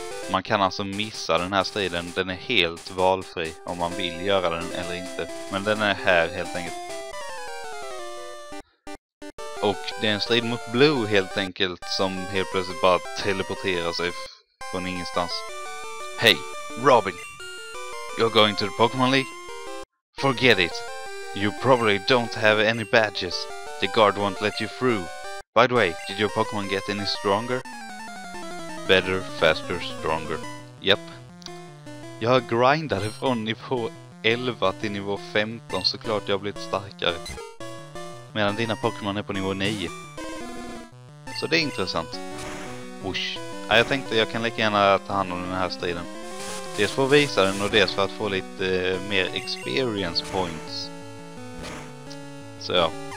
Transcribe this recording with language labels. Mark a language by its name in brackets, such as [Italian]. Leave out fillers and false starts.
[Swedish] Man kan alltså missa den här striden. Den är helt valfri om man vill göra den eller inte. Men den är här helt enkelt. Och det är en strid mot Blue helt enkelt. Som helt plötsligt bara teleporterar sig från ingenstans. [English] Hey, Robin. You're going to the Pokémon League? Forget it. You probably don't have any badges. The guard won't let you through. By the way, did your Pokémon get any stronger? better, faster, stronger. Yep. [Swedish] Jag grindade från nivå 11 till nivå 15, såklart jag har blivit starkare. Medan dina Pokémon är på nivå 9. Så det är intressant. Wush. Ja, jag tänkte jag kan lika gärna ta hand om den här striden. Dels för att visa den och dels för att få lite mer experience points. Så ja.